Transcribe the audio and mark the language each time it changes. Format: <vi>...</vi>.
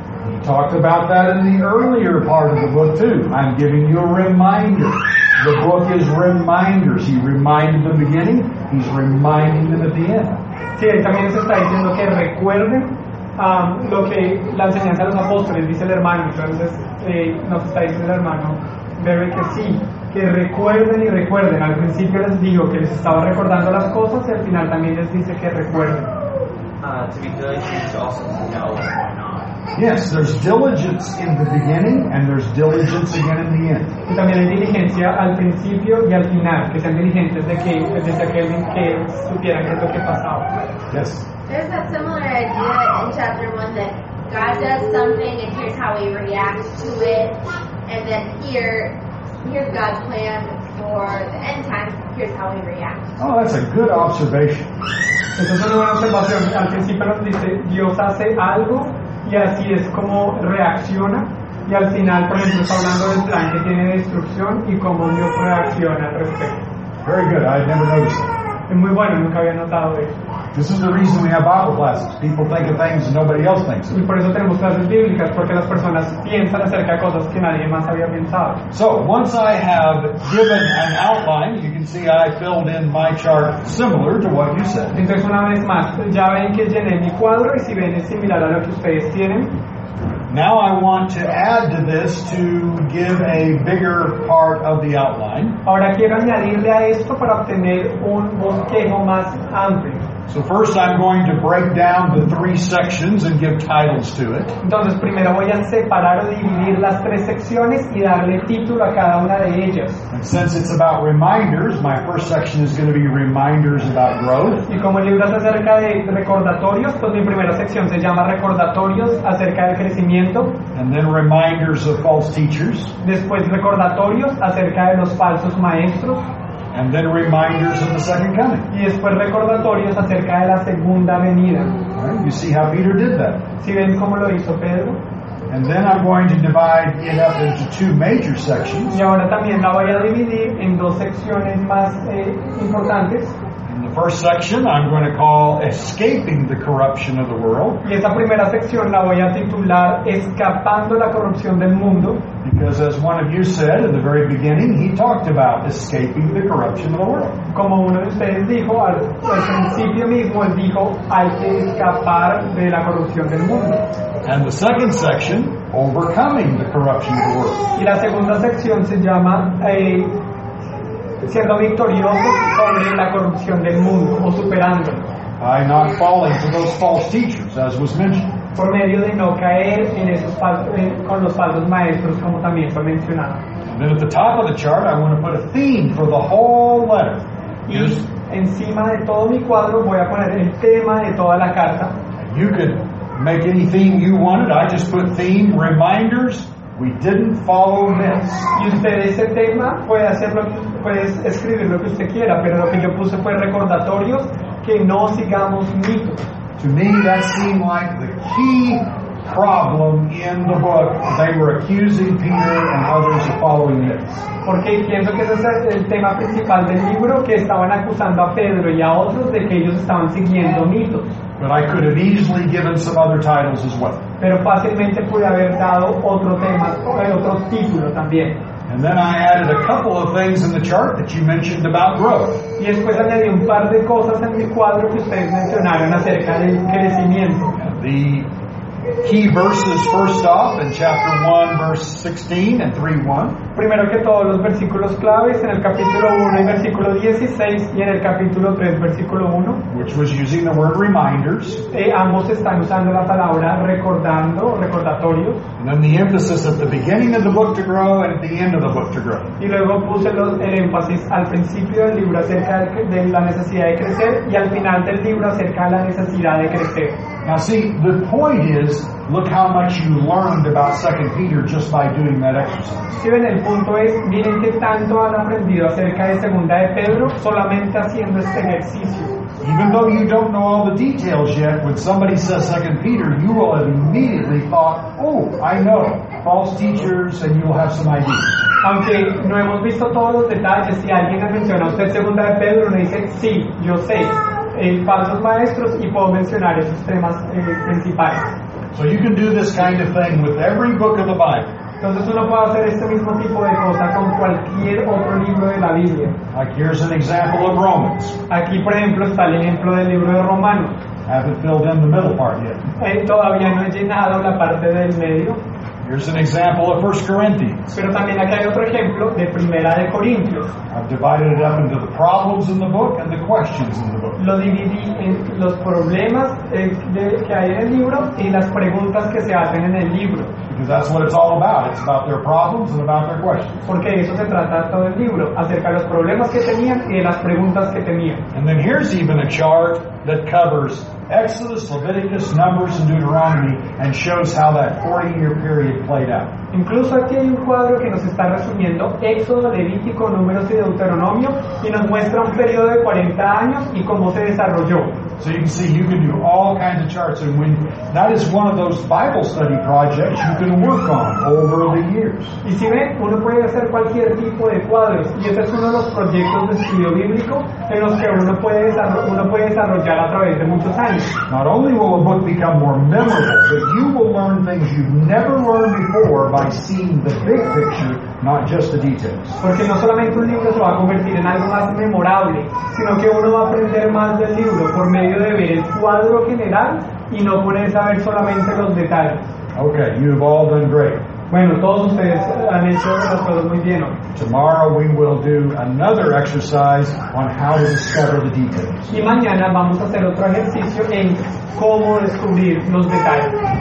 <en>He talked about that in the earlier part of the book too. I'm giving you a reminder. The book is reminders. He reminded them beginning, he's reminding them at the end.</en> <es>Sí, también se está diciendo que recuerden lo que la enseñanza de los apóstoles, dice el hermano. Entonces, nos está diciendo el hermano, debe que sí. Que recuerden y recuerden. Al principio les digo que les estaba recordando las cosas y al final también les dice que recuerden.</es> <en>To be diligent also to know what's going on. Yes, there's diligence in the beginning and there's diligence again in the end.</en> <es>Y también hay diligencia al principio y al final. Que sean diligentes de que desde aquel que supieran qué es lo que pasaba.</es> <en>Yes. There's that similar idea in chapter 1 that God does something and here's how we react to it. And then here's God's plan for the end times. Here's how we react. Oh, that's a good observation.</en> <es>Entonces, una buena observación. Al principio nos dice, Dios hace algo y así es como reacciona. Y al final, por ejemplo, está hablando del plan que tiene destrucción y cómo Dios reacciona al respecto.</es> <en>Very good. I never noticed.</en> <es>Es muy bueno. Nunca había notado eso.</es> <en>This is the reason we have Bible classes. People think of things nobody else thinks of.</en> <es>Y por eso tenemos clases bíblicas, porque las personas piensan acerca de cosas que nadie más había pensado.</es> <en>So, once I have given an outline, you can see I filled in my chart similar to what you said.</en> <es>Entonces, una vez más, ya ven que llené mi cuadro, y si ven es similar a lo que ustedes tienen.</es> <en>Now I want to add to this to give a bigger part of the outline.</en> <es>Ahora quiero añadirle a esto para obtener un bosquejo más amplio.</es> <en>So first I'm going to break down the three sections and give titles to it.</en> <es>Entonces primero voy a separar o dividir las tres secciones y darle título a cada una de ellas.</es> <en>And since it's about reminders, my first section is going to be reminders about growth.</en> <es>Y como el libro es acerca de recordatorios, pues mi primera sección se llama recordatorios acerca del crecimiento.</es> <en>And then reminders of false teachers.</en> <es>Después recordatorios acerca de los falsos maestros.</es> <en>And then reminders of the second coming.</en> <es>Y después recordatorios acerca de la segunda venida.</es> <en>Right, you see how Peter did that.</en> <es>¿Sí ven cómo lo hizo Pedro?</es> <en>And then I'm going to divide it up into two major sections.</en> <es>Y ahora también la voy a dividir en dos secciones más importantes.</es> <en>In the first section, I'm going to call escaping the corruption of the world.</en> <es>Y esta primera sección la voy a titular escapando la corrupción del mundo.</es> <en>Because as one of you said in the very beginning, he talked about escaping the corruption of the world.</en> <es>Como uno de ustedes dijo, al principio mismo él dijo, hay que escapar de la corrupción del mundo.</es> <en>And the second section, overcoming the corruption of the world.</en> <es>Y la segunda sección se llama siendo victorioso sobre la corrupción del mundo o superándolo.</es> <en>By not falling to those false teachers, as was mentioned.</en> <es>Por medio de no caer en esos con los falsos maestros, como también fue mencionado.</es> <en>And then at the top of the chart, I want to put a theme for the whole letter.</en> <es>Encima de todo mi cuadro, voy a poner el tema de toda la carta.</es> <en>And you could make any theme you wanted. I just put theme, reminders, we didn't follow this.</en> <es>Y usted ese tema puede hacerlo, puede escribir lo que usted quiera, pero lo que yo puse fue recordatorios que no sigamos mitos.</es> <en>To me, that seemed like the key problem in the book. They were accusing Peter and others of following this.</en> <es>Porque pienso que ese es el tema principal del libro, que estaban acusando a Pedro y a otros de que ellos estaban siguiendo mitos.</es> <en>But I could have easily given some other titles as well.</en> <es>Pero fácilmente pude haber dado otro tema, otro título también.</es> <en>And then I added a couple of things in the chart that you mentioned about growth.</en> <es>Y después añadí un par de cosas en mi cuadro que ustedes mencionaron acerca del crecimiento.</es> <en>The key verses first off in chapter 1, verse 16 and 3:1.</en> <es>Primero que todo, los versículos claves en el capítulo 1 y versículo 16 y en el capítulo 3, versículo 1.</es> <en>Which was using the word reminders.</en> <es>Ambos están usando la palabra recordando, recordatorios.</es> <en>And then the emphasis at the beginning of the book to grow and at the end of the book to grow.</en> <es>Y luego puse el énfasis al principio del libro acerca de la necesidad de crecer y al final del libro acerca de la necesidad de crecer.</es> <en>Now see, the point is, look how much you learned about 2 Peter just by doing that exercise.</en> <es>Si ven, el punto es, miren qué tanto han aprendido acerca de 2 de Pedro solamente haciendo este ejercicio.</es> <en>Even though you don't know all the details yet, when somebody says 2 Peter, you will have immediately thought, oh, I know, false teachers, and you will have some ideas.</en> <es>Aunque no hemos visto todos los detalles, si alguien ha mencionado usted 2 de Pedro, le dice, sí, yo sé. En falsos maestros y puedo mencionar esos temas principales.</es> <en>So you can do this kind of thing with every book of the Bible.</en> <es>Entonces uno puede hacer este mismo tipo de cosa con cualquier otro libro de la Biblia.</es> <en>Like here's an example of Romans.</en> <es>Aquí por ejemplo está el ejemplo del libro de Romanos.</es> <en>Haven't filled in the middle part yet.</en> <es>Todavía no he llenado la parte del medio.</es> <en>Here's an example of 1 Corinthians.</en> <es>Pero también aquí hay otro ejemplo de Primera de Corintios.</es> <en>I've divided it up into the problems in the book and the questions in the book.</en> <es>Lo dividí en los problemas que hay en el libro y las preguntas que se hacen en el libro.</es> <en>Because that's what it's all about. It's about their problems and about their questions.</en> <es>Porque eso se trata todo el libro, acerca de los problemas que tenían y de las preguntas que tenían.</es> <en>And then here's even a chart that covers Exodus, Leviticus, Numbers, and Deuteronomy, and shows how that 40-year period played out.</en> <es>Incluso aquí hay un cuadro que nos está resumiendo Éxodo, Levítico, Números y Deuteronomio, y nos muestra un periodo de 40 años y cómo se desarrolló.</es> <en>So you can see, you can do all kinds of charts, and when that is one of those Bible study projects you can work on over the years.</en> <es>Y si ven, uno puede hacer cualquier tipo de cuadros, y ese es uno de los proyectos de estudio bíblico en los que uno puede desarrollar a través de muchos años.</es> <en>Not only will a book become more memorable, but you will learn things you've never learned before by seeing the big picture, not just the details.</en> <es>Porque no solamente un libro se va a convertir en algo más memorable, sino que uno va a aprender más del libro por medio de ver el cuadro general y no ponerse a ver solamente los detalles.</es> <en>Okay, you've all done great.</en> <es>Bueno, todos ustedes han hecho las cosas muy bien hoy.</es> <en>Tomorrow we will do another exercise on how to discover the details.</en> <es>Y mañana vamos a hacer otro ejercicio en cómo descubrir los detalles.</es>